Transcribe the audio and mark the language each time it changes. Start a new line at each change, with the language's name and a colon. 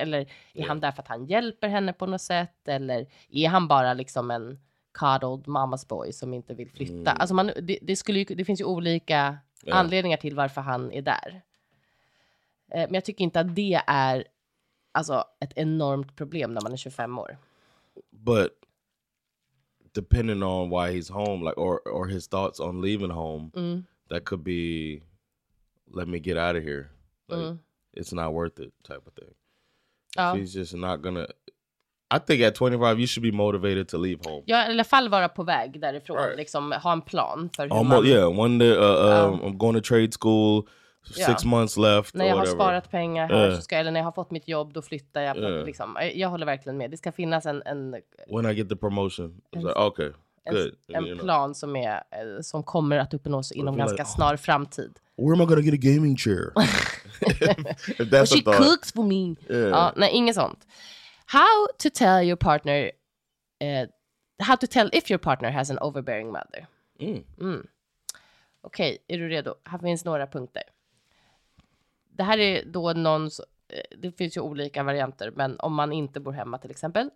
Swedish: Eller är han där för att han hjälper henne på något sätt? Eller är han bara liksom en
English: coddled mama's boy
Swedish: som inte vill flytta? Mm. Alltså det finns ju olika anledningar till varför han är där. Men jag tycker inte att det är alltså ett enormt problem när man är 25 år.
English: But depending on why he's home, like, or his thoughts on leaving home, that could be, let me get out of here. Like, it's not worth it type of thing. She's just not gonna, I think at 25, you should be motivated to leave home.
Swedish: Ja, i alla fall vara på väg därifrån, right. Liksom ha en plan för hur
English: One day, I'm going to trade school, six months left,
Swedish: när jag
English: whatever.
Swedish: Har sparat pengar här, så ska, eller när jag har fått mitt jobb, då flyttar jag. Liksom. Jag håller verkligen med. Det ska finnas en
English: when I get the promotion.
Swedish: En plan som kommer att uppnås inom ganska snar framtid.
English: Where am I gonna get a gaming chair? That's she a cooks for me. Yeah.
Swedish: Ja, nej, inget sånt.
English: How to tell your partner how to tell if your partner has an overbearing mother.
Swedish: Okej, är du redo? Här finns några punkter. Det här är då någon, det finns ju olika varianter, men om man inte bor hemma till exempel.